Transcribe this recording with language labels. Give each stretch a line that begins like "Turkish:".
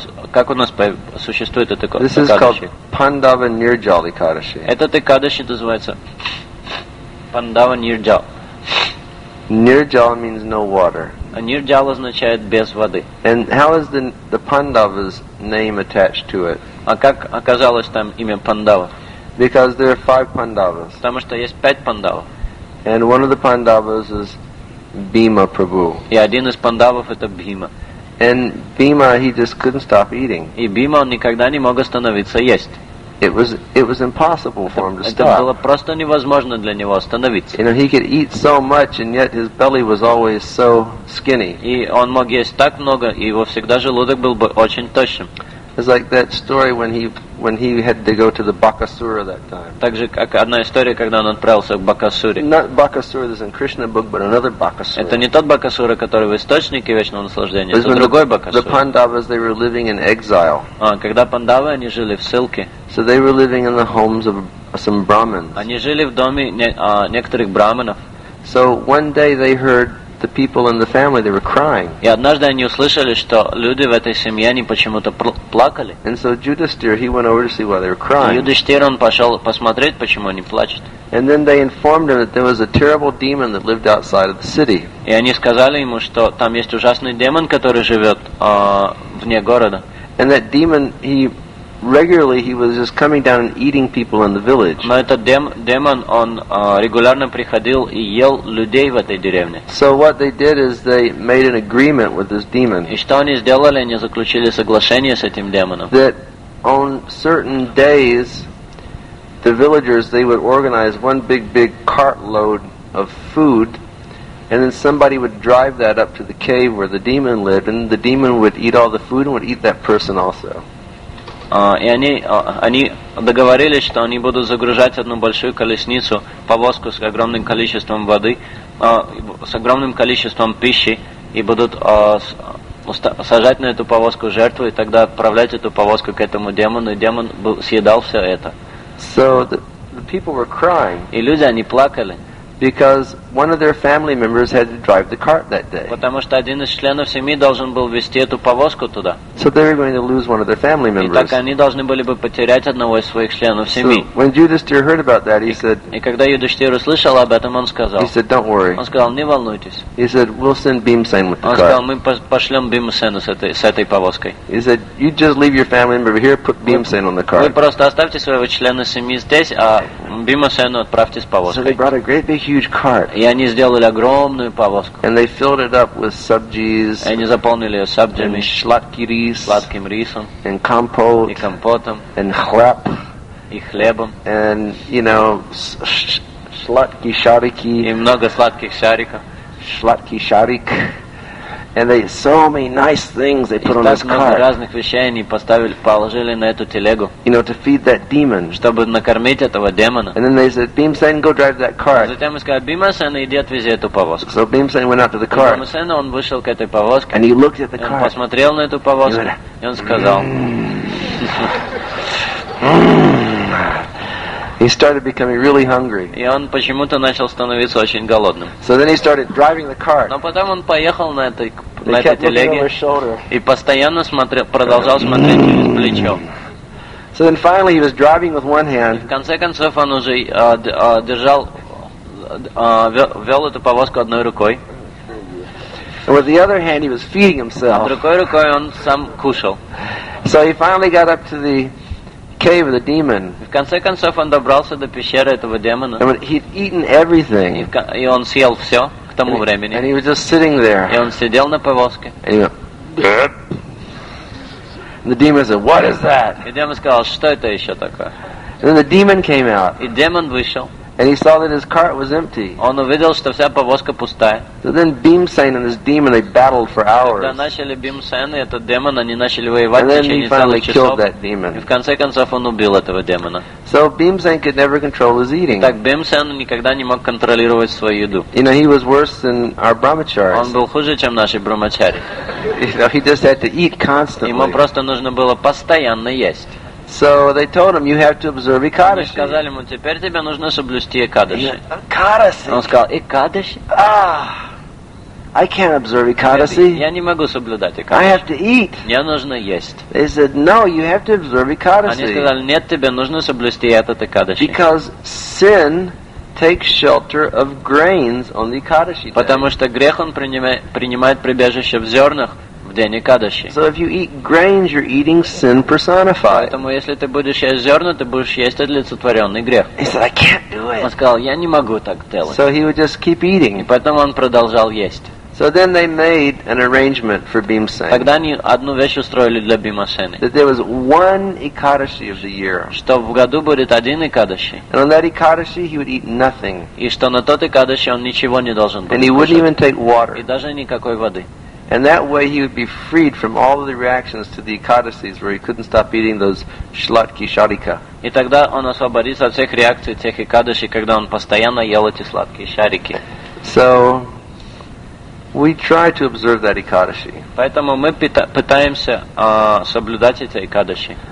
Russian: Как у нас существует это Ekadashi?
English: This is called Pandava Nirjala Ekadashi.
Russian: Этот Ekadashi называется Pandava Nirjala.
English: Nirjala means no water.
Russian: А Nirjala означает без воды.
English: And how is the Pandava's name attached to it?
Russian: А как оказалось там имя Пандава?
English: Because there are five Pandavas.
Russian: Потому что есть пять Пандава.
English: And one of the Pandavas is Bhima Prabhu.
Russian: И один из Пандавов это Бхима.
English: And Bhima, he just couldn't stop eating.
Russian: И Бхима никогда не мог остановиться есть.
English: It was impossible for him to stop.
Russian: Это было просто невозможно для него остановиться.
English: You know, he could eat so much, and yet his belly was always so skinny.
Russian: И он мог есть так много, и его всегда желудок был бы очень тощим.
English: It's like that story when he when he had to go to the Bakasura that time.
Russian: Также как одна история, когда он отправился к Бакасуре.
English: Not Bakasura that's in Krishna book, but another Bakasura.
Russian: Это не тот Бакасура, который в источнике вечного наслаждения. Это другой Бакасура.
English: The Pandavas, they were living in exile.
Russian: А когда Пандавы, они жили в ссылке.
English: So they were living in the homes of some Brahmins.
Russian: Они жили в доме некоторых Брахманов.
English: So one day they heard the people in the family, they were crying.
Russian: И однажды они услышали, что люди в этой семье, они почему-то плакали.
English: And so Yudhishthira, he went over to see why they were crying.
Russian: Yudhishthira, он пошел посмотреть, почему они плачут.
English: And then they informed him that there was a terrible demon that lived outside of the city.
Russian: И они сказали ему, что там есть ужасный демон, который живет вне города.
English: And that demon, he was just coming down and eating people in the village.
Russian: Но этот демон, он регулярно приходил и ел людей в этой деревне.
English: So what they did is they made an agreement with this demon.
Russian: И что они сделали? Они заключили соглашение с этим демоном.
English: That on certain days, the villagers, they would organize one big cartload of food, and then somebody would drive that up to the cave where the demon lived, and the demon would eat all the food and would eat that person also.
Russian: И они договорились, что они будут загружать одну большую колесницу, повозку с огромным количеством воды, с огромным количеством пищи, и будут сажать на эту повозку жертву, и тогда отправлять эту повозку к этому демону, и демон съедал все это.
English: So the people were crying.
Russian: И люди, они плакали.
English: Because one of their family members had to drive the cart that day.
Russian: Потому что один из членов семьи должен был вести эту повозку туда.
English: So they were going to lose one of their family members.
Russian: И так они должны были бы потерять одного из своих членов семьи.
English: So when Yudhishthira heard about that, he said.
Russian: И когда Юдиштир услышал об этом, он сказал.
English: He said, "Don't worry."
Russian: Он сказал, не волнуйтесь.
English: He said, "We'll send Bhimsen with the cart."
Russian: Он сказал, мы пошлем Бхимсена с этой повозкой.
English: He said, "You just leave your family member here, put Bhimsen on the cart."
Russian: Вы просто оставьте своего члена семьи здесь, а Бхимсена отправьте с повозкой.
English: So they brought a great big huge cart.
Russian: И они сделали огромную повозку.
English: And they filled it up with sabjis.
Russian: И они заполнили ее сабджами, сладким рисом,
English: and compote,
Russian: и компотом,
English: and
Russian: хлеб, и хлебом,
English: and you know,
Russian: сладкий шарик, и много сладких шариков, сладкий шарик.
English: And they so many nice things they put on this cart.
Russian: И так много разных вещей они положили на эту телегу.
English: You know, to feed that demon.
Russian: Чтобы накормить этого демона.
English: And then they said, "Bhimsen, go drive that cart."
Russian: Затем сказали, Бхимсен, иди отвези эту повозку.
English: So Bhimsen went out to the cart.
Russian: Бхимсен, он вышел к этой повозке.
English: And he looked at the cart.
Russian: Он посмотрел на эту повозку. И он сказал.
English: He started becoming really hungry.
Russian: И он почему-то начал становиться очень голодным.
English: So then he started driving the cart.
Russian: Но потом он поехал на этой телеге.
English: Over his shoulder.
Russian: И постоянно продолжал смотреть через плечо.
English: So then finally he was driving with one hand.
Russian: В конце концов он уже держал вел эту повозку одной рукой.
English: And with the other hand he was feeding himself.
Russian: Другой рукой он сам кушал.
English: So he finally got up to the cave of the demon.
Russian: В конце концов он добрался до пещеры этого демона.
English: And he'd eaten everything.
Russian: И он съел все к тому времени.
English: And he was just sitting there.
Russian: И он сидел на повозке.
English: And the demon said, "What is that?"
Russian: И демон сказал, что это еще такое?
English: And then the demon came out.
Russian: И демон вышел.
English: And he saw that his cart was empty.
Russian: Он увидел, что вся повозка пустая.
English: So then Bhimsen and his demon, they battled for hours.
Russian: Когда начали Бхимсен и этот демон, они начали воевать в течение целых часов.
English: And then he finally killed that demon.
Russian: И в конце концов он убил этого демона.
English: So Bhimsen could never control his eating.
Russian: Так Бхимсен никогда не мог контролировать свою еду.
English: You know, he was worse than our brahmacharis.
Russian: Он был хуже, чем наши брахмачари.
English: He just had to eat constantly.
Russian: Ему просто нужно было постоянно есть.
English: So they told him, "You have to observe Ekadashi."
Russian: Они сказали ему, теперь тебе нужно соблюсти Экадаши. Экадаши. Он сказал, Экадаши.
English: I can't observe Ekadashi.
Russian: Я не могу соблюдать Экадаши.
English: I have to eat.
Russian: Мне нужно есть.
English: They said, "No, you have to observe Ekadaši."
Russian: Они сказали, нет, тебе нужно соблюсти этот Экадаши.
English: Because sin takes shelter of grains on the Ekadaši.
Russian: Потому что грех он принимает прибежище в зернах. День Экадаши.
English: So if you eat grains, you're eating sin personified.
Russian: Поэтому если ты будешь есть зерна, ты будешь есть олицетворенный грех.
English: He said, "I can't do it."
Russian: Он сказал, я не могу так делать.
English: So he would just keep eating.
Russian: И поэтому он продолжал есть.
English: So then they made an arrangement for Bhimsen.
Russian: Тогда они одну вещь устроили для Бхимсена.
English: That there was one Ekadaši of the year.
Russian: Что в году будет один Экадаши.
English: And on that Ekadaši he would eat nothing.
Russian: И что на тот Экадаши он ничего не должен был.
English: And he wouldn't even take water.
Russian: И даже никакой воды.
English: And that way he would be freed from all of the reactions to the Ekadasis where he couldn't stop eating those
Russian: shlatki sharika. И тогда он освободится от всех реакций тех Экадаши, когда он постоянно ел эти сладкие шарики.
English: So, we try to observe that Ekadashi.
Russian: Поэтому мы пытаемся соблюдать эти Экадаши.